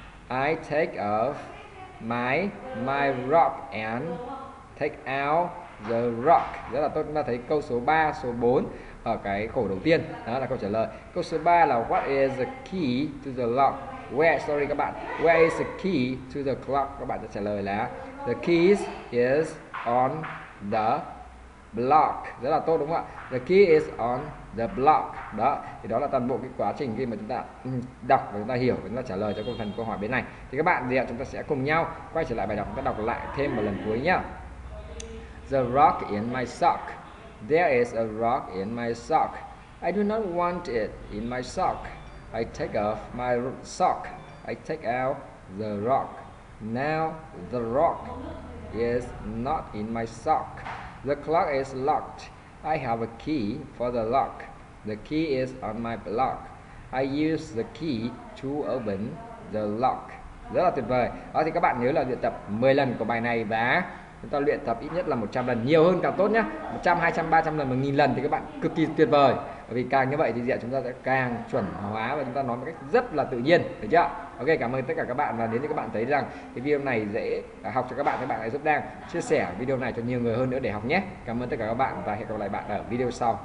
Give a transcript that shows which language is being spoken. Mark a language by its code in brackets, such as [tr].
[en] I take off my rock and take out the rock. [vi] Rất là tốt, chúng ta thấy câu số 3, số 4 ở cái khổ đầu tiên, đó là câu trả lời. Câu số 3 là [en] what is the key to the lock? Where is the key to the clock? [vi] Các bạn sẽ trả lời là [en] the key is on the block. [vi] Rất là tốt đúng không ạ? [en] The key is on the block. [vi] Đó, thì đó là toàn bộ cái quá trình khi mà chúng ta đọc và chúng ta hiểu và chúng ta trả lời cho phần câu hỏi bên này. Thì các bạn gì ạ? Chúng ta sẽ cùng nhau quay trở lại bài đọc, chúng ta đọc lại thêm một lần cuối nhá. [en] The rock in my sock. There is a rock in my sock. I do not want it in my sock. I take off my sock. I take out the rock. Now the rock is not in my sock. The clock is locked. I have a key for the lock. The key is on my block. I use the key to open the lock. [vi] Rất là tuyệt vời. Đó thì các bạn nhớ là luyện tập 10 lần của bài này và chúng ta luyện tập ít nhất là 100 lần, nhiều hơn càng tốt nhé. 100, 200, 300 lần, 1000 lần thì các bạn cực kỳ tuyệt vời. Bởi vì càng như vậy thì chúng ta sẽ càng chuẩn hóa và chúng ta nói một cách rất là tự nhiên, được chưa? Ok, cảm ơn tất cả các bạn, và nếu như các bạn thấy rằng cái video này dễ học cho các bạn hãy giúp Đang chia sẻ video này cho nhiều người hơn nữa để học nhé. Cảm ơn tất cả các bạn và hẹn gặp lại bạn ở video sau.